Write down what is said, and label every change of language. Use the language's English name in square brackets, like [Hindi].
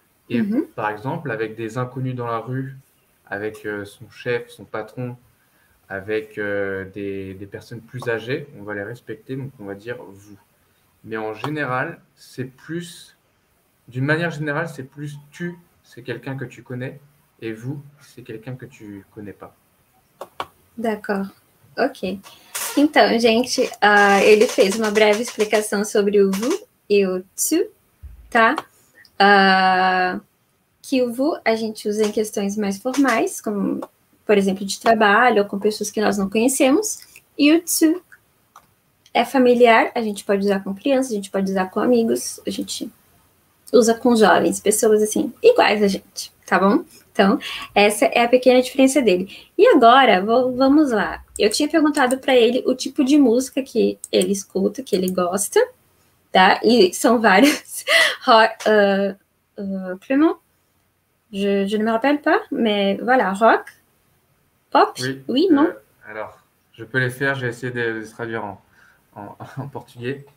[French] Et par exemple, avec des inconnus dans la rue, avec son chef, son patron, avec des personnes plus âgées, on va les respecter, donc on va dire vous. Mais en général, c'est plus, d'une manière générale, c'est plus tu, c'est quelqu'un que tu connais, et vous, c'est quelqu'un que tu connais pas. D'accord, ok. [Portuguese] Então, gente, ele fez uma breve explicação sobre o vous e o tu, tá? Que o vous a gente usa em questões mais formais, como, por exemplo, de trabalho ou com pessoas que nós não conhecemos. E o tu é familiar, a gente pode usar com crianças, a gente pode usar com amigos, a gente usa com jovens, pessoas assim, iguais a gente, tá bom? Então, essa é a pequena diferença dele. E agora, vamos lá. Eu tinha perguntado para ele o tipo de música que ele escuta, que ele gosta, tá? E são vários. [French] Clément? Je ne me rappelle pas, mais voilà, rock, pop, Oui, oui, non? alors je peux les faire, j'ai essayé de traduire en portugais.